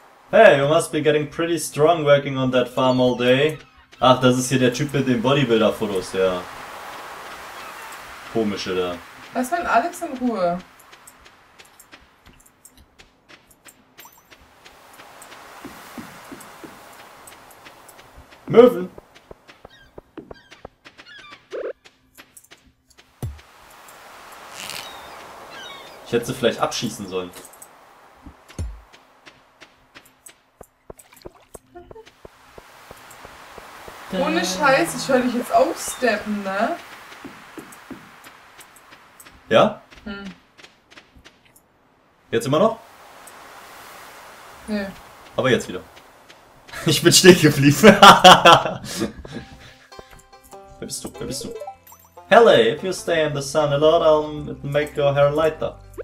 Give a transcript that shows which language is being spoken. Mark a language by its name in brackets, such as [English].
[English] Hey, you must be getting pretty strong working on that farm all day. [German] Ach, das ist hier der Typ mit den Bodybuilder-Fotos, der komische da. Was meint Alex in Ruhe? Möwen! Ich hätte sie vielleicht abschießen sollen. Ohne Scheiß, ich höre dich jetzt aufsteppen, ne? Ja? Jetzt immer noch? Nee. Aber jetzt wieder. Ich bin stehen geblieben. Wer bist du? Wer bist du? [English] Hello, if you stay in the sun a lot, I'll make your hair lighter.